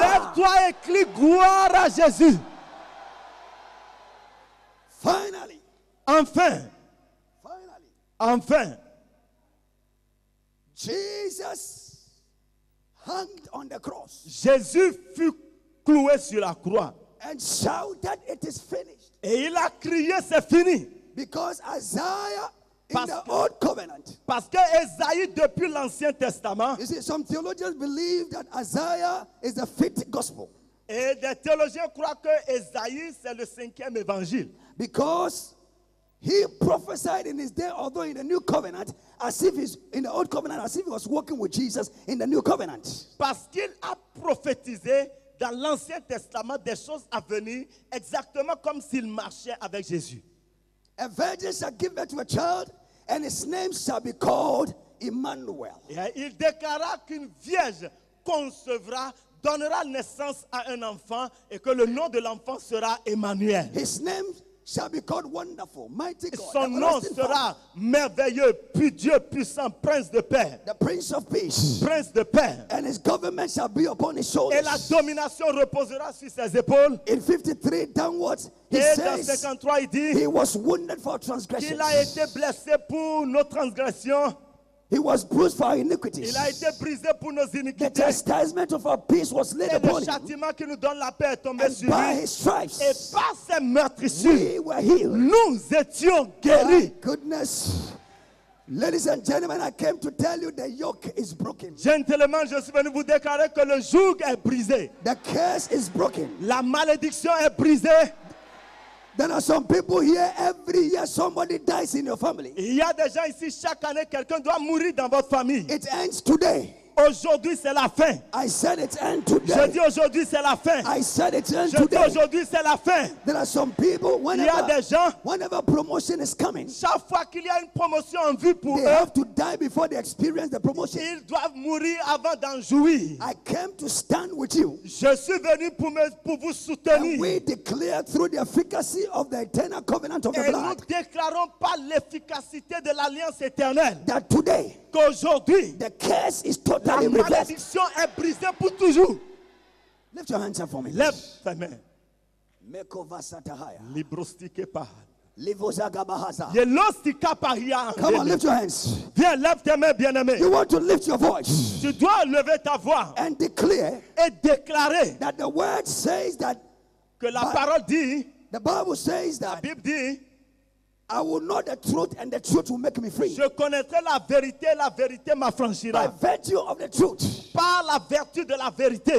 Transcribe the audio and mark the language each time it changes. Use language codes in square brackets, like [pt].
[fr] Lève-toi et crie gloire à Jésus. [en] Finally. [fr] Enfin. [en] Finally. [fr] Enfin. [en] Jesus hung on the cross. [fr] Jésus fut cloué sur la croix. [en] And shouted, it is finished. [fr] Et il a crié, c'est fini. [en] Because Isaiah, parce, in the old covenant, [fr] parce que Isaïe, depuis l'Ancien Testament, [en] you see, some theologians believe that Isaiah is a fifth gospel. [fr] Et des théologiens croient que Isaïe, c'est le cinquième évangile. [en] Because he prophesied in his day, although in the new covenant, as if he's in the old covenant, as if he was walking with Jesus in the new covenant. [fr] Parce qu'il a prophétisé dans l'Ancien Testament des choses à venir exactement comme s'il marchait avec Jésus. [en] A virgin shall give birth to a child and his name shall be called Emmanuel. [fr] Et il déclara qu'une vierge concevra, donnera naissance à un enfant et que le nom de l'enfant sera Emmanuel. [en] His name shall be called Wonderful, Mighty God. [fr] Son nom sera merveilleux, puis Dieu puissant, Prince de Paix. [en] The Prince of Peace. [fr] Prince de Paix. [en] And his government shall be upon his shoulders. [fr] Et la domination reposera sur ses épaules. [en] In 53 downwards, he [fr] et [en] says, [fr] dans 53, il dit, [en] he was wounded for transgressions. [fr] Il a été blessé pour nos transgressions. [en] He was bruised for our iniquities. [fr] Il a été brisé pour nos iniquités. [en] The chastisement of our peace was laid [fr] et [en] upon him. [fr] Le châtiment qui nous donne la paix est tombé [en] and [fr] sur lui. [en] By his stripes, [fr] et par ses meurtrissures, [en] we were healed. [fr] Nous étions guéris. [en] My goodness. Ladies and gentlemen, I came to tell you the yoke is broken. [fr] Gentlemen, je suis venu vous déclarer que le joug est brisé. [en] The curse is broken. [fr] La malédiction est brisée. [en] There are some people here every year somebody dies in your family. [fr] Il y a des gens ici chaque année quelqu'un doit mourir dans votre famille. [en] It ends today. [fr] Aujourd'hui c'est la fin. [en] I said it ends today. [fr] Je dis aujourd'hui c'est la fin. [en] I said it ends [fr] je [en] today. [fr] Je dis aujourd'hui c'est la fin. [en] There are some people whenever [fr] il y a des gens, [en] whenever promotion is coming. [fr] Chaque fois qu'il y a une promotion en vue pour [en] they [fr] eux, [en] have to die before they experience the promotion. [fr] Ils doivent mourir avant d'en jouir. [en] I came to stand with you. [fr] Je suis venu pour vous soutenir. [en] And we declare through the efficacy of the eternal covenant of [fr] et [en] the blood. [fr] Et nous déclarons par l'efficacité de l'alliance éternelle. [en] That today. [fr] Qu'aujourd'hui, [en] the curse is totally [fr] la malédiction est brisée pour toujours. [en] Lift your hands up for me. [fr] Lève ta main. Meko vasatahaya. Librostike paha. Livozagabahaza. Yelostika paha. [en] Come on, lift your hands. [fr] Bien, lève tes mains, bien aimé. [en] You want to lift your voice. [fr] Tu dois lever ta voix. [en] And declare. [fr] Et déclarer. [en] That the word says that. [fr] Que la parole dit. [en] The Bible says that [fr] la Bible dit, [en] I will know the truth and the truth will make me free. [fr] Je connaîtrai la vérité m'affranchira. [en] By virtue of the truth. [fr] Par la vertu de la vérité.